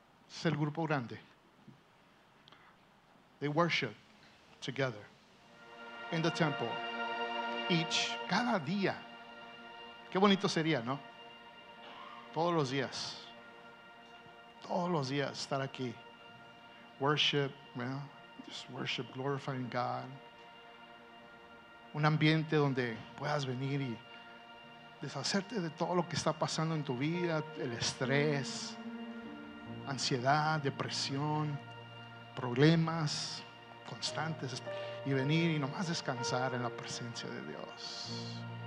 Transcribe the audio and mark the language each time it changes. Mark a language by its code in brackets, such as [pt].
[es] Es el grupo grande. [en] They worship together in the temple each, [es] cada día. Qué bonito sería, ¿no? Todos los días. Todos los días estar aquí. [en] Worship, well, just worship, glorifying God. [es] Un ambiente donde puedas venir y deshacerte de todo lo que está pasando en tu vida, el estrés, ansiedad, depresión, problemas constantes, y venir y nomás descansar en la presencia de Dios.